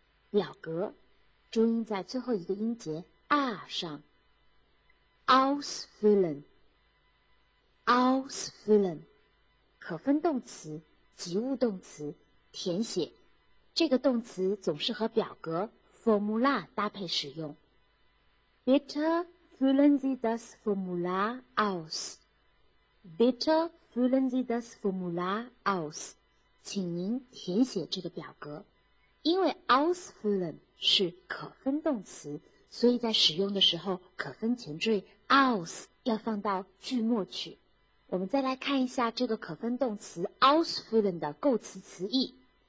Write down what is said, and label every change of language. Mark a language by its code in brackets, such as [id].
[zh] 表格，重音在最后一个音节 a 上。 [de] Ausfüllen, ausfüllen. [zh] 可分动词，及物动词，填写。这个动词总是和表格 Formular 搭配使用。 [de] Bitte. Füllen Sie das Formular aus. Bitte füllen Sie das Formular aus. [zh] 请您填写这个表格。因为 ausfüllen 是可分动词，所以在使用的时候，可分前缀 aus 要放到句末去。我们再来看一下这个可分动词 ausfüllen 的构词词义。